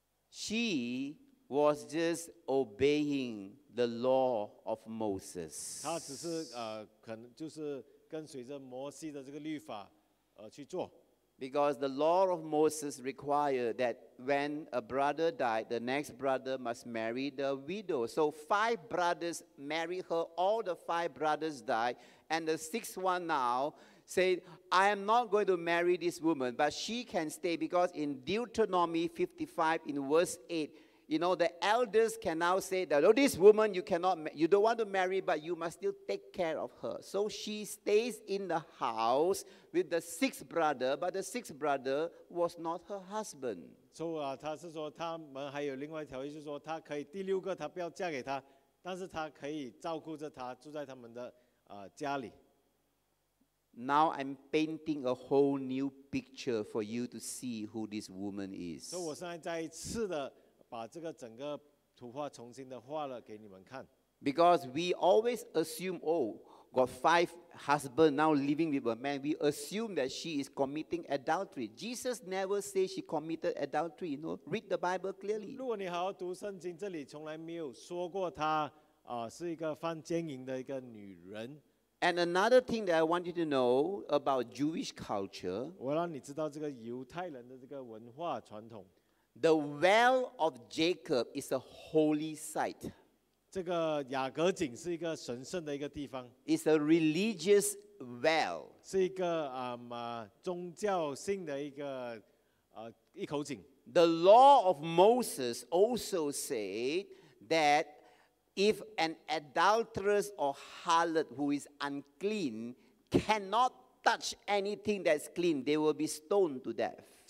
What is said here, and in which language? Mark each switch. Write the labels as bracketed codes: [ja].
[en] She was just obeying the law of Moses. [zh] 她只是跟随着摩西的这个律法去做。 [en] Because the law of Moses required that when a brother died, the next brother must marry the widow. So five brothers marry her, all the five brothers died, and the sixth one now said, I am not going to marry this woman, but she can stay, because in Deuteronomy 55, in verse 8, you know, the elders can now say that, oh, this woman, you don't want to marry, but you must still take care of her. So she stays in the house with the sixth brother, but the sixth brother was not her husband. So, [zh] 他是说他们还有另外一条意思说他可以第六个他不要嫁给他，但是他可以照顾着他住在他们的家里。 [en] Now I'm painting a whole new picture for you to see who this woman is. So [zh] 我现在再一次的把这个整个图画重新的画了给你们看。 [en] Because we always assume, oh, got five husbands now living with a man, we assume that she is committing adultery. Jesus never says she committed adultery, you know. Read the Bible clearly. [zh] 如果你好好读圣经，这里从来没有说过她是一个犯奸淫的一个女人。 [en] And another thing that I want you to know about Jewish culture, [zh] 我让你知道这个犹太人的这个文化传统, [en] the well of Jacob is a holy site. [zh] 这个雅各井是一个神圣的一个地方, [en] it's a religious well. [zh] 是一个, 宗教性的一个, 一口井。 [en] The law of Moses also said that if an adulteress or harlot who is unclean cannot touch anything that's clean, they will be stoned to death.